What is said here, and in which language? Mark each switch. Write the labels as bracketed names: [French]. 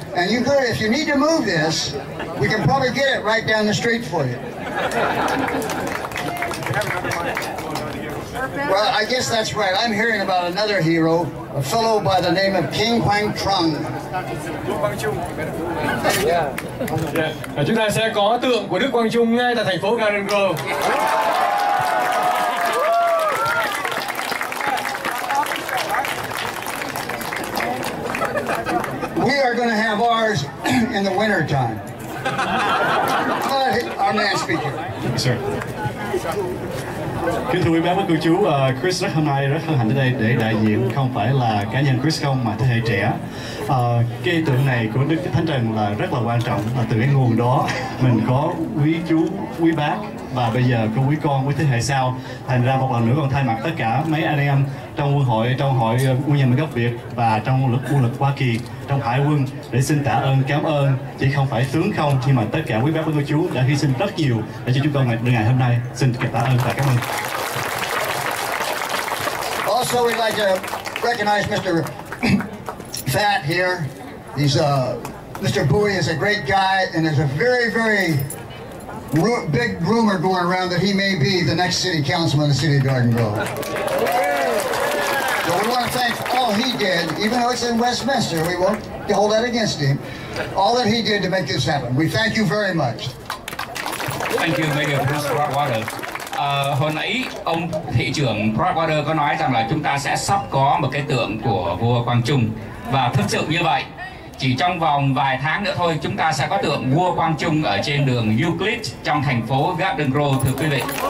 [English] And you could, if you need to move this, we can probably get it right down the street for you. Well, I guess that's right. I'm hearing about another hero, a fellow by the name of King Quang Trung. Yeah. [Vietnamese] Chúng ta sẽ có tượng của Đức Quang Trung ngay tại thành phố Garden Grove. [English] We are going to have ours in the winter time. But our man speaking. Sir. [Vietnamese] Kính thưa quý bác và cô chú, Chris rất hôm nay rất hân hạnh ở đây để đại diện không phải là cá nhân Chris không mà thế hệ trẻ. Cái ý tưởng này của Đức Thánh Trần là rất là quan trọng, là từ cái nguồn đó mình có quý chú, quý bác và bây giờ có quý con, quý thế hệ sau. Thành ra một lần nữa còn thay mặt tất cả mấy anh em trong quân hội, trong hội quân nhân gốc Việt và trong quân lực Hoa Kỳ, trong hải quân để xin tạ ơn, cảm ơn chỉ không phải tướng không nhưng mà tất cả quý bác và cô chú đã hy sinh rất nhiều để cho chúng con ngày hôm nay. Xin tạ ơn và cảm ơn. [English] Also, we'd like to recognize Mr. Fat here. He's Mr. Bowie is a great guy and is a very, very big rumor going around that he may be the next city councilman in the city of Garden Grove. So we want to thank all he did, even though it's in Westminster, we won't hold that against him, all that he did to make this happen. We thank you very much. Thank you, Mayor Bruce Broadwater. [Vietnamese] Hồi nãy ông thị trưởng Broadwater có nói rằng là chúng ta sẽ sắp có một cái tượng của vua Quang Trung. Và thực sự như vậy, chỉ trong vòng vài tháng nữa thôi, chúng ta sẽ có tượng vua Quang Trung ở trên đường Euclid trong thành phố Garden Grove, thưa quý vị.